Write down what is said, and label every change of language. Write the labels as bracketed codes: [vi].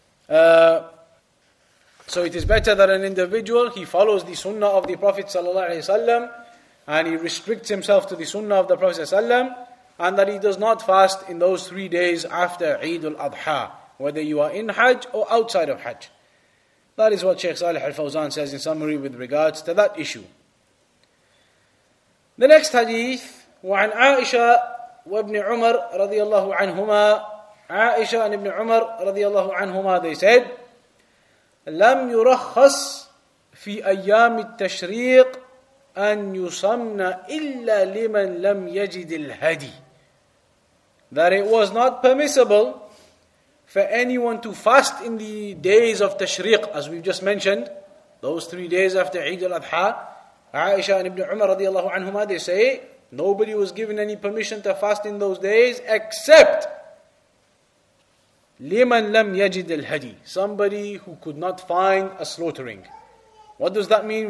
[en] So it is better that an individual, he follows the sunnah of the Prophet ﷺ, and he restricts himself to the sunnah of the Prophet ﷺ, and that he does not fast in those 3 days after Eid al-Adha, whether you are in Hajj or outside of Hajj. That is what Shaykh Salih al-Fawzan says in summary with regards to that issue. The next hadith, [ar] وعن عائشة وابن عمر رضي الله عنهما, عائشة and ابن عمر رضي الله عنهما, [en] they said, [ar] لم يرخص في أيام التشريق أن يصمن إلا لمن لم يجد الهدي. [en] That it was not permissible for anyone to fast in the days of Tashriq, as we've just mentioned, those 3 days after Eid al-Adha. Aisha and Ibn Umar radiallahu anhuma, they say, nobody was given any permission to fast in those days except [ar] لِمَنْ لَمْ يَجِدِ الْهَدِي, [en] somebody who could not find a slaughtering. What does that mean?